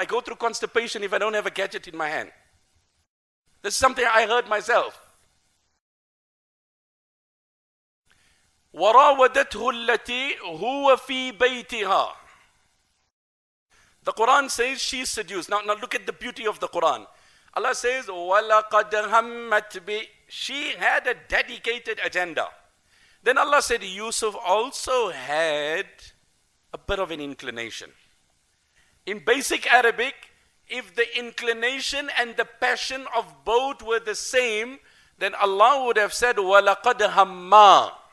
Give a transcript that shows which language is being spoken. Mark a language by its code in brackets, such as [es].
[en] I go through constipation if I don't have a gadget in my hand. This is something I heard myself. [ar] وَرَاوَدَتْهُ الَّتِي هُوَ فِي بَيْتِهَا. [en] The Quran says she seduced. Now look at the beauty of the Quran. Allah says, [ar] وَلَقَدْ هَمَّتْ بِ. [en] She had a dedicated agenda. Then Allah said, Yusuf also had a bit of an inclination. In basic Arabic, if the inclination and the passion of both were the same, then Allah would have said, [ar] وَلَقَدْ هَمَّا.